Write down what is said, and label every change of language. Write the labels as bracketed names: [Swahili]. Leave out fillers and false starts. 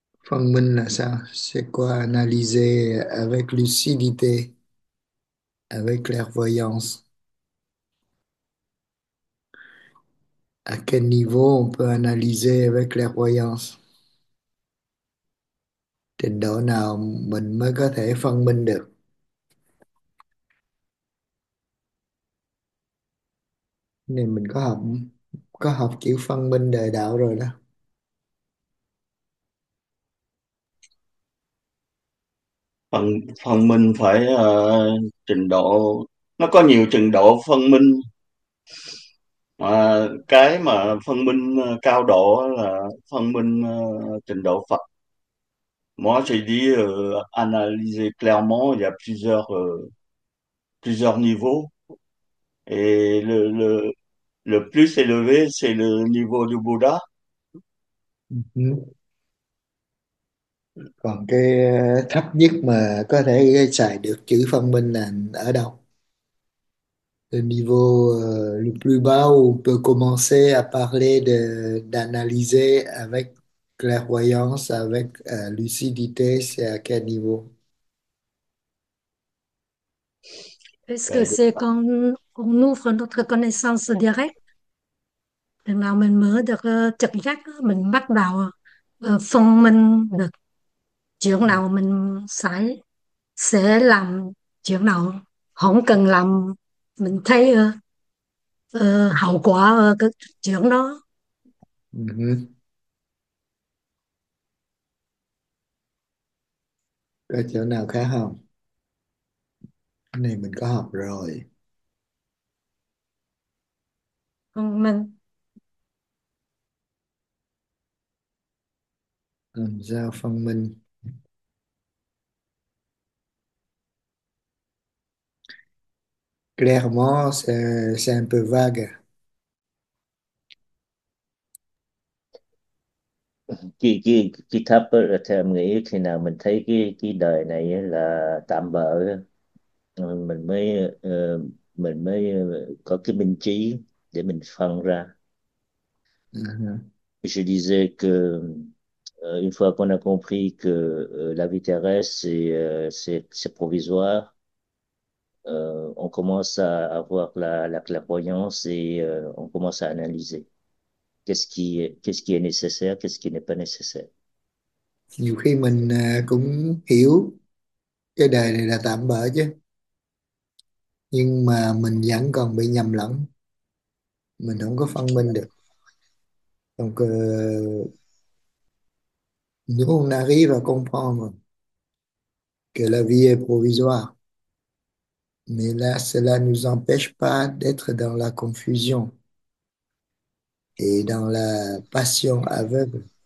[Vietnamese] Phân minh là sao? [French] C'est quoi analyser avec lucidité, avec clairvoyance? À quel niveau on peut analyser avec clairvoyance? [Vietnamese] Trình độ nào mình mới có thể phân minh được? Nên mình có học kiểu phân minh đời đạo rồi đó. Phân minh phải trình độ, nó có nhiều trình độ phân minh, mà cái mà phân minh cao độ là phân minh trình độ Phật. [French] Moi j'ai dit analyser clairement, il y a plusieurs niveaux, et le plus élevé c'est le niveau du Bouddha. [Vietnamese] Còn cái thấp nhất mà có thể xài được chữ phân minh là ở đâu? [French] Le niveau le plus bas où on peut commencer à parler de d'analyser avec clairvoyance, avec lucidité, c'est à quel niveau? Est-ce Ça que c'est quand on ouvre notre connaissance directe? [Vietnamese] Lần nào mình mở được trực giác, mình bắt đầu phân minh được chuyện nào mình sẽ làm, chuyện nào không cần làm, mình thấy hậu quả cái chuyện đó. Có chỗ nào khác không? Cái này mình có học rồi. Còn mình Làm sao phân minh? [French] Clairement, c'est un peu vague. [Vietnamese] Cái thấp theo nghĩ khi nào mình thấy cái đời này là tạm bợ, mình mới có cái minh trí để mình phân ra. [French] Je disais que une fois qu'on a compris que la vie terrestre c'est provisoire, on commence à avoir la clairvoyance et on commence à analyser. Qu'est-ce qui est nécessaire, qu'est-ce qui n'est pas nécessaire. [Vietnamese] Nhiều khi mình cũng hiểu cái đời này là tạm bợ chứ, nhưng mà mình vẫn còn bị nhầm lẫn, mình không có phân minh được. [French] Donc, nous on arrive à comprendre que la vie est provisoire, mais là, cela ne nous empêche pas d'être dans la confusion et dans la passion aveugle.